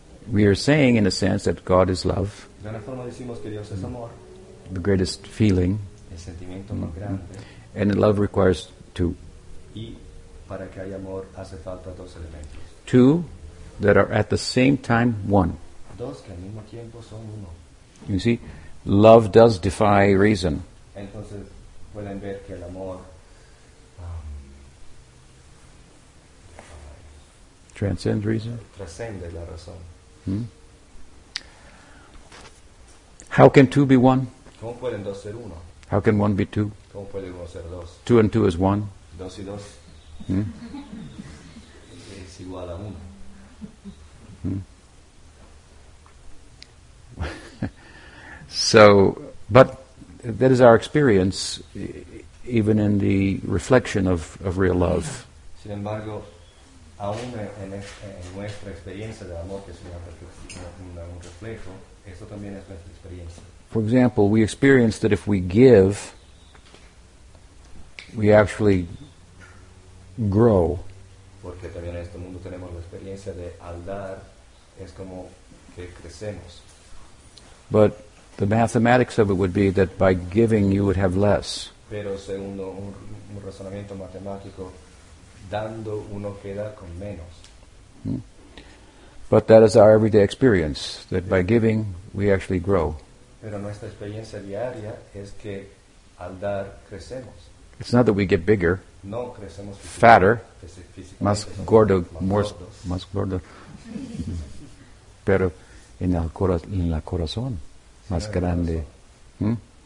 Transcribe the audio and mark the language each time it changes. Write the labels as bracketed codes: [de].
[en] We are saying, in a sense, that God is love. [es] De una forma decimos que Dios es amor. [en] The greatest feeling. [es] El sentimiento más grande. [en] And love requires two. [es] Y para que haya amor hace falta dos elementos. [en] Two that are at the same time one. [es] Dos que al mismo tiempo son uno. [en] You see, love does defy reason. [es] Entonces pueden ver que el amor [en] transcends reason. [es] Trascende la razón. [en] How can two be one? [es] ¿Cómo pueden dos ser uno? [en] How can one be two? [es] ¿Cómo puede uno ser dos? [en] Two and two is one. [es] Dos y dos. Es igual a uno. [en] So, but that is our experience, even in the reflection of real love. [es] Sin embargo, aún en nuestra experiencia del amor, que es un reflejo, eso también es nuestra experiencia. [en] For example, we experience that if we give, we actually grow. [es] Porque también en este mundo tenemos la experiencia de al dar, es como que crecemos. [en] But the mathematics of it would be that by giving you would have less. [es] Pero según un razonamiento matemático, dando uno queda con menos. [en] But that is our everyday experience, that by giving we actually grow. [es] Pero nuestra experiencia diaria es que al dar crecemos. [en] It's not that we get bigger, [es] no, crecemos [en] fatter, [es] físicamente, más gordo, más gordo, pero en el corazón, sí, más grande, corazón.